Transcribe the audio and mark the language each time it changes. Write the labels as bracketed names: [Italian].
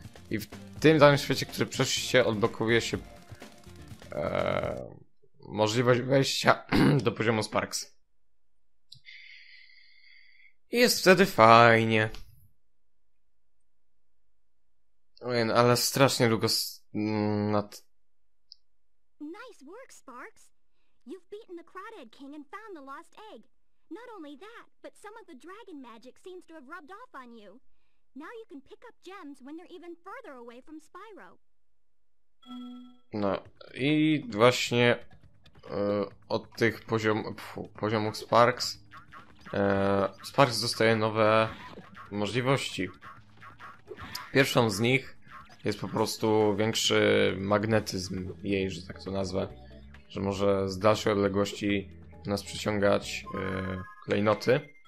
[Polish] I w tym danym świecie, który przeszliście, odblokowuje się możliwość wejścia do poziomu Sparks. I jest wtedy fajnie. Ale strasznie długo nad... [English] Nice work, Sparks. You've beaten the Crawdad King and found the lost egg. Not only that, but some of the dragon magic seems to have rubbed off on you. Now you can pick up gems when they're even further away from Spyro. [Polish] No i właśnie od tych poziomów Sparks Sparks dostaje nowe możliwości. Pierwszą z nich jest po prostu większy magnetyzm jej, że tak to nazwę, że może z dalszej odległości nas przyciągać klejnoty.